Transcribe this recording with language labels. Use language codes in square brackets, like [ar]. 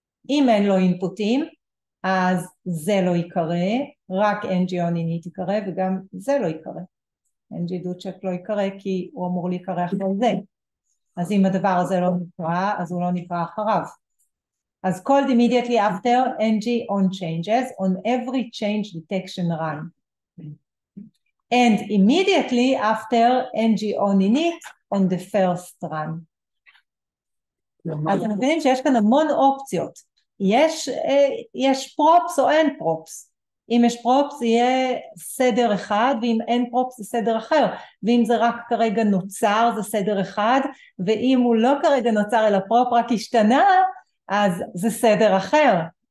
[he] אם אין לו אינפוטים, אז זה לא ייקרא, רק NG אונינית ייקרא, וגם זה לא ייקרא. NG דו צ'ק לא ייקרא, כי הוא אמור להיקרא אחרי זה. אז אם הדבר הזה לא נקרא, אז הוא לא נקרא אחריו. [en] אז called immediately after NG on changes, on every change detection run. And immediately after NG on init, on the first run. [he] אז אתם מבינים שיש כאן המון אופציות. יש props או אין props. אם יש props זה יהיה סדר אחד, ואם אין props זה סדר אחר. ואם זה רק כרגע נוצר זה סדר אחד, ואם הוא לא כרגע נוצר אלא prop רק השתנה, אז זה סדר אחר.